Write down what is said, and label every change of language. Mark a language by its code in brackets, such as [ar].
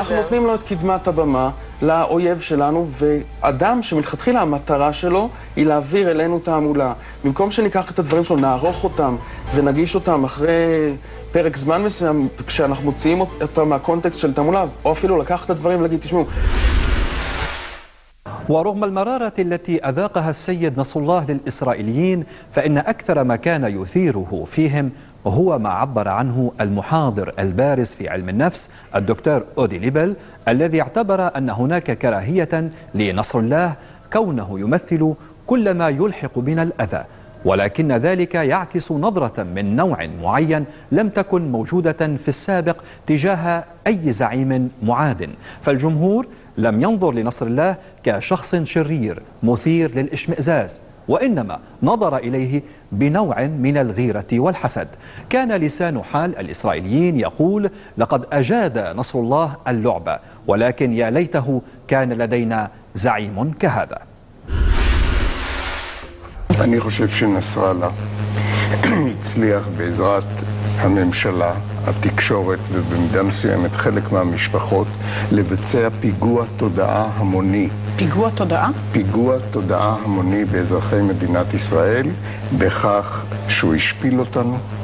[he] אנחנו נותנים לו את קדמת הבמה לאויב שלנו, ואדם שמתחתחילה המטרה שלו היא להעביר אלינו תעמולה. במקום שניקח את הדברים שלו, נערוך אותם ונגיש אותם אחרי פרק זמן מסוים, כשאנחנו מוציאים אותם מהקונטקסט של תעמולה, או אפילו לקח את הדברים ולהגיד, תשמעו. [ar] ורغم المرارة التي أذاقها السيد نصر الله للإسرائيليين فإن أكثر ما كان يثيره فيهم هو ما عبر عنه المحاضر البارز في علم النفس الدكتور أودي ليبل، الذي اعتبر أن هناك كراهية لنصر الله كونه يمثل كل ما يلحق بنا الأذى، ولكن ذلك يعكس نظرة من نوع معين لم تكن موجودة في السابق تجاه أي زعيم معاد، فالجمهور لم ينظر لنصر الله كشخص شرير مثير للإشمئزاز، وإنما نظر إليه بنوع من الغيرة والحسد. كان لسان حال الإسرائيليين يقول: لقد أجاد نصر الله اللعبة، ولكن يا ليته كان لدينا زعيم كهذا. أنا [he] חושב שנסראללה הצליח בעזרת הממשלה, התקשורת ובמידה מסוימת חלק מהמשפחות לבצע פיגוע תודעה המוני. פיגוע תודעה? פיגוע תודעה המוני באזרחי מדינת ישראל, בכך שהוא השפיל אותנו.